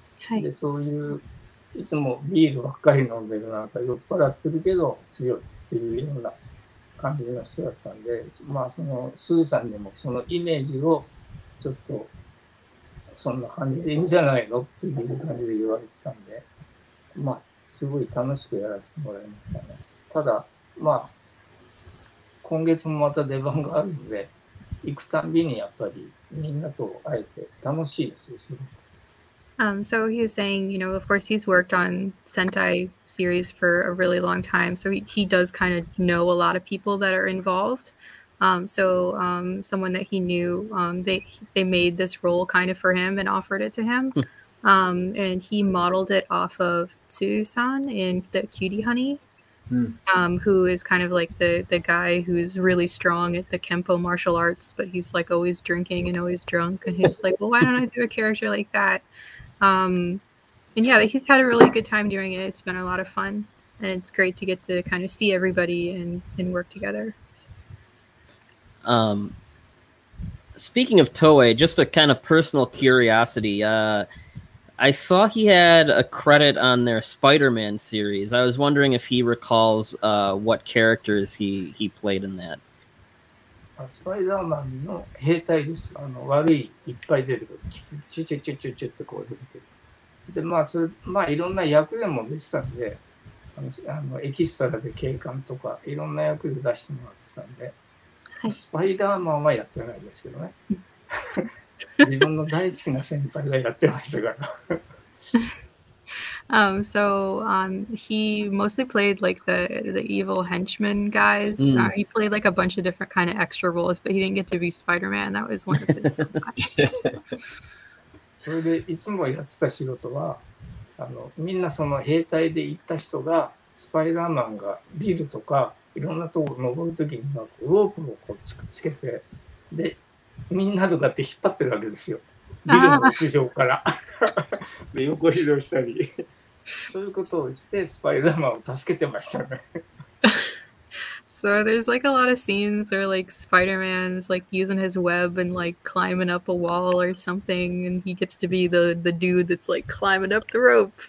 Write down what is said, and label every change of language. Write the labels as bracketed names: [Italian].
[Japanese] で、そういう、いつもビールばっかり飲んでるなんか酔っ払ってるけど強いっていうような感じの人だったんで、まあそのスーさんにもそのイメージをちょっとそんな感じでいいんじゃないのっていう感じで言われてたんで、まあすごい楽しくやらせてもらいましたね。ただまあ今月もまた出番があるので、行くたびにやっぱりみんなと会えて楽しいですよ、すごく。 [English] So he was saying, you know, of course he's worked on Sentai series for a really long time, so he does kind of know a lot of people that are involved. So someone that he knew, they made this role kind of for him and offered it to him. And he modeled it off of Tsu-san in the Cutie Honey, who is kind of like the guy who's really strong at the Kenpo martial arts, but he's like always drinking and always drunk. And he's like, well, why don't I do a character like that? And yeah, he's had a really good time doing it. It's been a lot of fun, and it's great to get to kind of see everybody and work together. So. Speaking of Toei, just a kind of personal curiosity, I saw he had a credit on their Spider-Man series. I was wondering if he recalls what characters he played in that. [Japanese] スパイダーマンの兵隊です。あの悪いいっぱい出てくる。チュチュチュチュチュってこう出てくる。で、まあそれ、まあいろんな役でも出てたんで、あのエキストラで警官とかいろんな役で出してもらってたんで、はい、スパイダーマンはやってないですけどね。自分の大好きな先輩がやってましたから。 [English] So he mostly played like the evil henchman guys. He played like a bunch of different kind of extra roles, but he didn't get to be Spider-Man. That was one of his guys. [Japanese] それでいつもやってた仕事は、あのみんなその兵隊で行った人がスパイダーマンがビルとかいろんなところ登るときにはロープをこうつけて、でみんなとかって引っ張ってるわけですよ。ビルの屋上から。で横移動したり。そういうことをして、スパイダーマンを助けてましたね。 [English] So there's like a lot of scenes where like Spider-Man's like using his web and like climbing up a wall or something, and he gets to be the dude that's like climbing up the rope.